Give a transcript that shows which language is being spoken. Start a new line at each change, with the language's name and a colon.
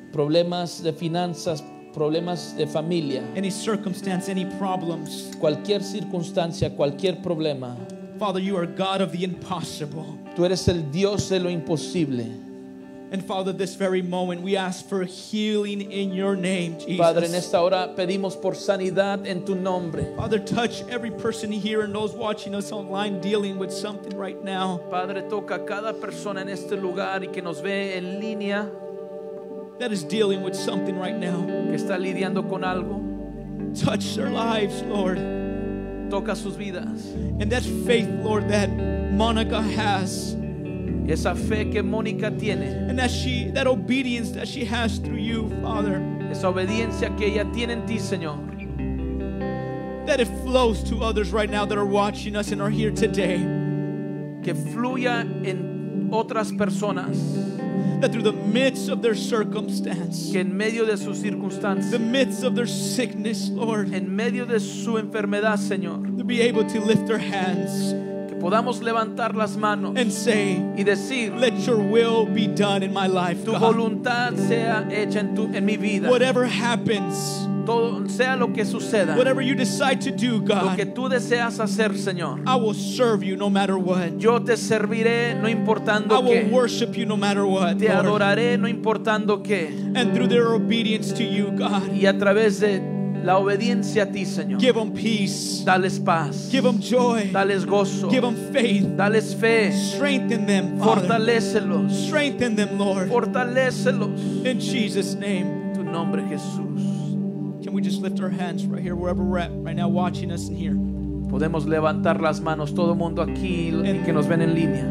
Spanish: Problemas de finanzas. Problemas de familia.
English: Any circumstance, any problems.
Spanish: Cualquier circunstancia, cualquier problema.
English: Father, you are God of the impossible.
Spanish: Tú eres el Dios de lo imposible.
English: And Father, this very moment, we ask for healing in your name, Jesus.
Spanish: Padre, en esta hora pedimos por sanidad en tu nombre.
English: Father, touch every person here and those watching us online dealing with something right now.
Spanish: Padre, toca a cada persona en este lugar y que nos ve en línea.
English: That is dealing with something right now.
Spanish: Que está lidiando con algo.
English: Touch their lives, Lord.
Spanish: Toca sus vidas.
English: And that faith, Lord, that Monica has.
Spanish: Esa fe que Monica tiene.
English: And that obedience that she has through you, Father.
Spanish: Esa obediencia que ella tiene en ti, Señor.
English: That it flows to others right now that are watching us and are here today.
Spanish: Que fluya en otras personas.
English: That through the midst of their circumstance,
Spanish: que en medio de sus circunstancias,
English: the midst of their sickness, Lord,
Spanish: en medio de su enfermedad, Señor,
English: to be able to lift their hands,
Spanish: que podamos levantar las manos,
English: and say,
Spanish: y decir,
English: let your will be done in my life,
Spanish: tu
English: God.
Spanish: Voluntad sea hecha en tu, en mi vida.
English: Whatever happens,
Spanish: todo, sea lo que suceda,
English: whatever you decide to do, God,
Spanish: lo que tú deseas hacer, Señor,
English: I will serve you no matter what.
Spanish: Yo te serviré no importando qué.
English: I will
Spanish: qué.
English: Worship you no matter what.
Spanish: Te
English: Lord.
Spanish: Adoraré no importando qué.
English: And through their obedience to you, God,
Spanish: y a través de la obediencia a ti, Señor,
English: give them peace.
Spanish: Dales paz.
English: Give them joy.
Spanish: Dales gozo.
English: Give them faith.
Spanish: Dales fe.
English: Strengthen them, Father.
Spanish: Fortalécelos.
English: Strengthen them, Lord.
Spanish: Fortalécelos.
English: In Jesus' name.
Spanish: Tu nombre, Jesús.
English: Can we just lift our hands right here, wherever we're at right now, watching us in here?
Spanish: Podemos levantar las manos, todo mundo aquí y que nos ven en línea.